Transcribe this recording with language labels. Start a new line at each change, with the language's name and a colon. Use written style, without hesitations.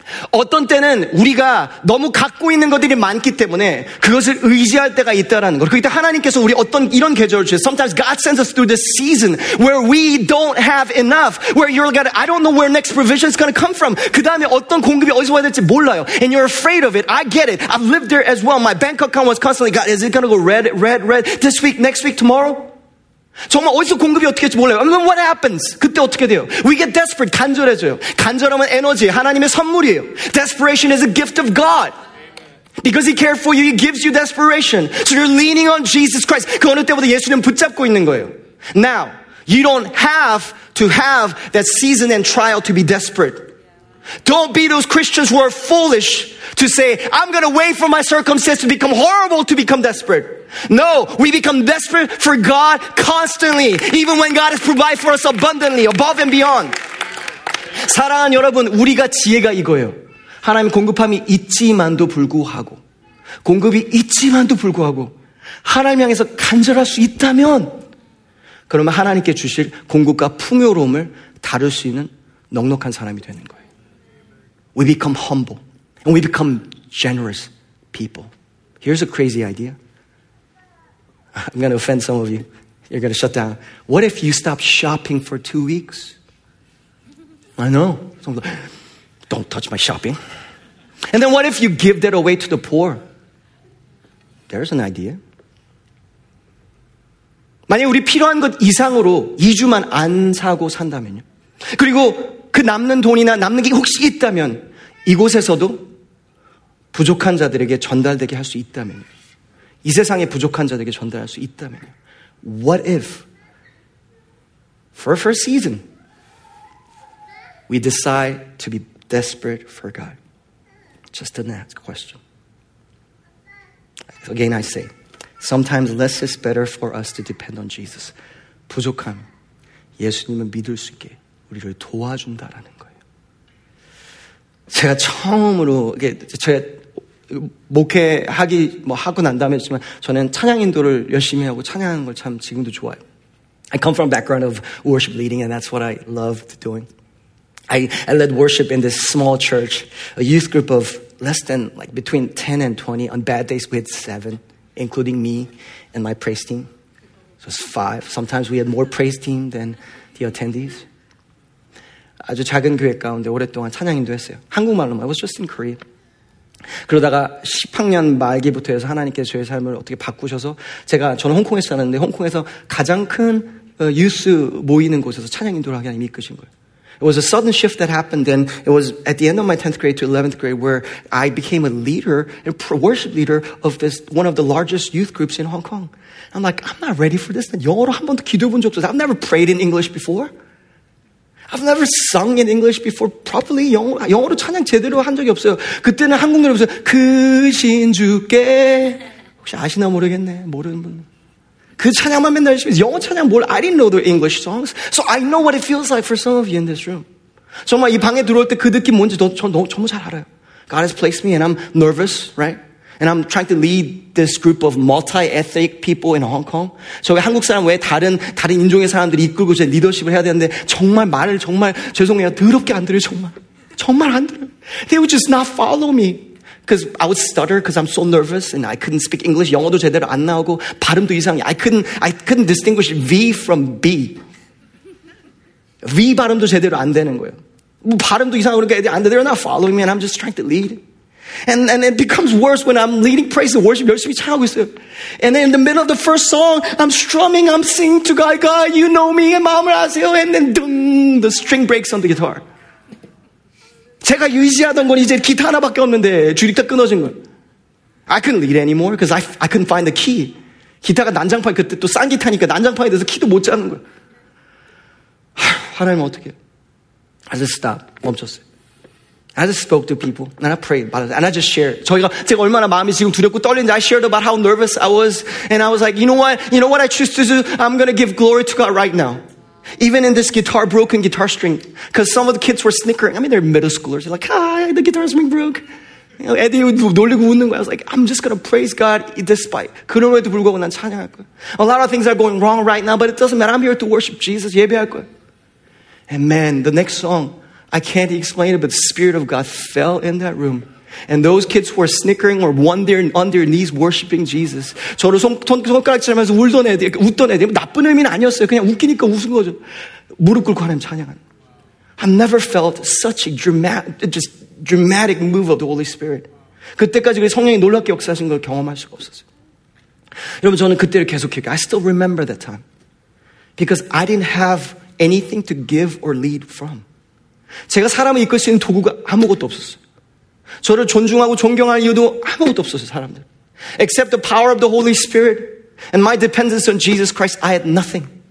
Korean: 어떤 때는 우리가 너무 갖고 있는 것들이 많기 때문에 그것을 의지할 때가 있다라는 거. 그때 하나님께서 우리 어떤 이런 계절을 주세요.
English: Sometimes God sends us through this season where we don't have enough. Where you're like, I don't know where next provision is going to come from.
Korean: 그 다음에 어떤 공급이 어디서 와야 될지 몰라요.
English: And you're afraid of it. I get it. I've lived there as well. My bank account was constantly, God, is it going to go red, red, red this week, next week, tomorrow?
Korean: 정말 어디서 공급이 어떻게 될지 몰라요.
English: I mean, what happens?
Korean: 그때 어떻게 돼요?
English: We get desperate.
Korean: 간절해져요. 간절함은 에너지. 하나님의 선물이에요.
English: Desperation is a gift of God. Because he cared for you, he gives you desperation. So you're leaning on Jesus Christ. 그 어느 때보다 예수님 붙잡고 있는 거예요. Now, you don't have to have that season and trial to be desperate. Don't be those Christians who are foolish to say, I'm going to wait for my circumstance to become horrible to become desperate. No, we become desperate for God constantly, even when God has provided for us abundantly, above and beyond.
Korean: 사랑하는 여러분, 우리가 지혜가 이거예요. 하나님 공급함이 있지만도 불구하고, 공급이 있지만도 불구하고, 하나님 향해서 간절할 수 있다면, 그러면 하나님께 주실 공급과 풍요로움을 다룰 수 있는 넉넉한 사람이 되는 거예요.
English: We become humble and we become generous people. Here's a crazy idea. I'm going to offend some of you. You're going to shut down. What if you stop shopping for 2 weeks? I know. Don't touch my shopping. And then what if you give that away to the poor? There's an idea.
Korean: 만약 우리 필요한 것 이상으로 2주만 안 사고 산다면요. 그리고 그 남는 돈이나 남는 게 혹시 있다면 이곳에서도 부족한 자들에게 전달되게 할 수 있다면 이 세상에 부족한 자들에게 전달할 수 있다면
English: What if for a first season we decide to be desperate for God? Just an ask question. Again I say sometimes less is better for us to depend on Jesus.
Korean: 부족함 예수님을 믿을 수 있게 우리를 도와준다라는 제가 처음으로 이게 제가 목회하기 뭐 하고 난 다음에 했지만 저는 찬양 인도를 열심히 하고 찬양하는 걸 참 지금도 좋아해요.
English: I come from a background of worship leading and that's what I loved doing. I led worship in this small church, a youth group of less than like between 10 and 20. On bad days we had 7, including me and my praise team. So it's 5. Sometimes we had more praise team than the attendees.
Korean: 아주 작은 교회 가운데 오랫동안 찬양인도 했어요. 한국말로만.
English: I was just in Korea.
Korean: 그러다가 10학년 말기부터 해서 하나님께서 저의 삶을 어떻게 바꾸셔서 제가 저는 홍콩에서 살았는데 홍콩에서 가장 큰 유스 모이는 곳에서 찬양인도를 하게 하나님이 이끄신 거예요.
English: It was a sudden shift that happened and it was at the end of my 10th grade to 11th grade where I became a leader, a worship leader of this one of the largest youth groups in Hong Kong. I'm like, I'm not ready for this.
Korean: 영어로 한 번도 기도해 본 적도 없어요.
English: I've never prayed in English before. I've never sung in English before properly.
Korean: 영어로 찬양 제대로 한 적이 없어요. 그때는 한국 노래 없어요. 그 신주께 혹시 아시나 모르겠네. 모르는 분. 그 찬양만 맨날 열심히 영어 찬양 뭘.
English: I didn't know the English songs. So I know what it feels like for some of you in this room. 정말 이 방에 들어올 때 그 느낌 뭔지 너무 잘 알아요. God has placed me and I'm nervous, right? And I'm trying to lead this group of multi-ethnic people in Hong Kong.
Korean: 저기 한국 사람 외에 다른 인종의 사람들이 이끌고 제 리더십을 해야 되는데 정말 말을 정말 죄송해요. 더럽게 안 들어요. 정말 안 들어요.
English: They would just not follow me. Because I would stutter because I'm so nervous and I couldn't speak English.
Korean: 영어도 제대로 안 나오고 발음도 이상해.
English: I couldn't distinguish V from B.
Korean: V 발음도 제대로 안 되는 거예요. 뭐 발음도 이상하고 그러니까 안 돼.
English: They're not following me and I'm just trying to lead. And it becomes worse when I'm leading praise and worship.
Korean: 열심히 찬양하고 있어요.
English: And then in the middle of the first song, I'm strumming, I'm singing to God, God, you know me,
Korean: 마음을 아세요.
English: And then, dun, the string breaks on the guitar.
Korean: 제가 유지하던 건 이제 기타 하나밖에 없는데, 주기타 끊어진 건.
English: I couldn't lead anymore because I couldn't find the key.
Korean: 기타가 난장판, 그때 또 싼 기타니까 난장판이 돼서 키도 못 잡는 거. 하나님 어떻게?
English: I just stopped.
Korean: 멈췄어요.
English: I just spoke to people and I prayed and I just shared.
Korean: 저희가 제가 얼마나 마음이 지금 두렵고 떨리는지
English: I shared about how nervous I was and I was like, you know what? You know what I choose to do? I'm going to give glory to God right now. Even in this guitar, broken guitar string. Because some of the kids were snickering. I mean, they're middle schoolers. They're like, ah, the guitar string broke.
Korean: 애들이 놀리고 웃는 거야.
English: I was like, I'm just gonna praise God despite.
Korean: 그럼에도 불구하고 난 찬양할 거야.
English: A lot of things are going wrong right now, but it doesn't matter. I'm here to worship Jesus.
Korean: 예배할 거야.
English: And man, the next song, I can't explain it, but the Spirit of God fell in that room. And those kids were snickering or on their knees worshiping Jesus.
Korean: 저를 손가락 치면서 울던 애들, 웃던 애들. 나쁜 의미는 아니었어요. 그냥 웃기니까 웃은 거죠. 무릎 꿇고 하나님 찬양한.
English: I've never felt such a dramatic move of the Holy Spirit.
Korean: 그때까지 우리 성령이 놀랍게 역사하신 걸 경험할 수가 없었어요. 여러분, 저는 그때를 계속 기억해.
English: I still remember that time. Because I didn't have anything to give or lead from.
Korean: 제가 사람을 이끌 수 있는 도구가 아무것도 없었어요. 저를 존중하고 존경할 이유도 아무것도 없었어요, 사람들.
English: Except the power of the Holy Spirit and my dependence on Jesus Christ, I had nothing.